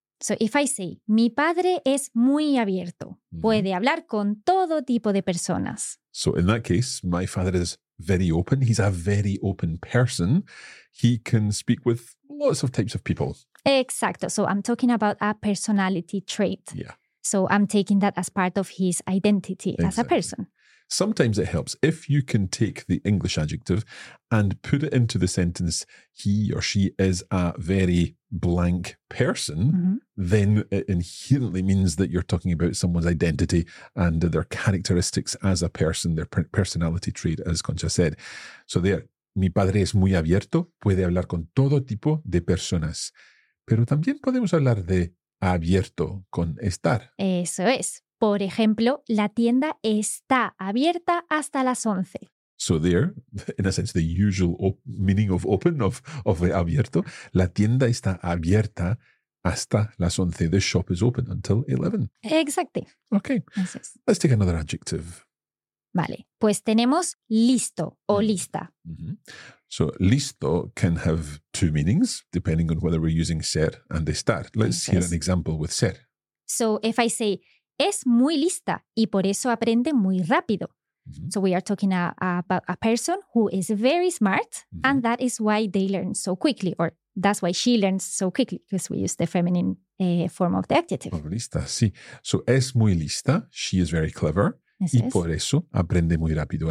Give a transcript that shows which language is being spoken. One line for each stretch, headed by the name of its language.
English: So, if I say,
Spanish: mi padre es muy abierto, puede hablar con todo tipo de personas.
English: So, in that case, my father is very open. He's a very open person. He can speak with lots of types of people. Exacto. So, I'm talking about a personality trait. Yeah. So, I'm taking that as part of his identity as a person. Sometimes it helps if you can take the English adjective and put it into the sentence, he or she is a very blank person, then it inherently means that you're talking about someone's identity and their characteristics as a person, their personality trait, as Concha said. So there,
Spanish: mi padre es muy abierto, puede hablar con todo tipo de personas. Pero también podemos hablar de abierto con estar. Eso es. Por ejemplo, la tienda está abierta hasta las 11.
English: So there, in a sense, the usual meaning of open, of abierto.
Spanish: La tienda está abierta hasta las 11.
English: The shop is open until 11. Exactly. Okay. Entonces, let's take another adjective.
Spanish: Vale. Pues tenemos listo o lista.
English: So listo can have two meanings, depending on whether we're using ser and estar. Let's hear an example with ser. So if I say,
Spanish: es muy lista y por eso aprende muy rápido.
English: So we are talking about a person who is very smart and that is why they learn so quickly, or That's why she learns so quickly, because we use the feminine form of the adjective.
Spanish: Muy lista, sí.
English: So
Spanish: es muy lista.
English: She is very clever.
Spanish: Eso y por eso aprende muy rápido.